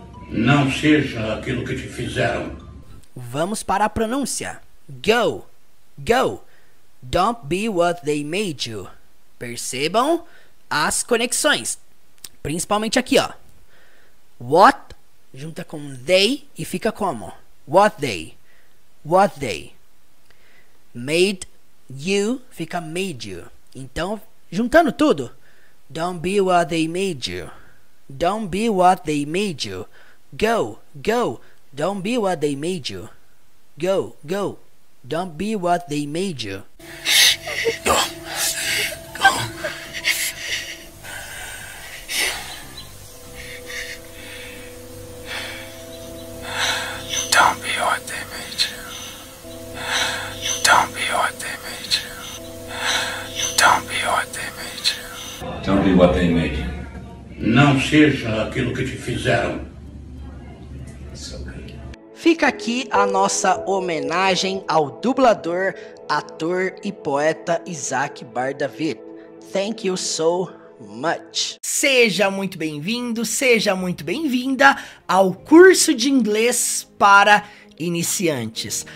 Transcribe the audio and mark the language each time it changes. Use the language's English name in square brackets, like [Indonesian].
[Portuguese] Não seja aquilo que te fizeram. Vamos para a pronúncia. [English] Go, go. Don't be what they made you. [Portuguese] Percebam as conexões. Principalmente aqui, ó. What junta com they e fica como? [English] What they. What they. Made you [Portuguese] fica [English] made you. [Portuguese] Então, juntando tudo. [English] Don't be what they made you. Don't be what they made you. Go, go, don't be what they made you. Go, go, don't be what they made you. Go, go. Don't be what they made you. Don't be what they made you. Don't be what they made you. Don't be what they made you. [Portuguese] Não seja aquilo que te fizeram. Fica aqui a nossa homenagem ao dublador, ator e poeta Isaac Bar David. [English] Thank you so much. [Portuguese] Seja muito bem-vindo, seja muito bem-vinda ao curso de inglês para iniciantes.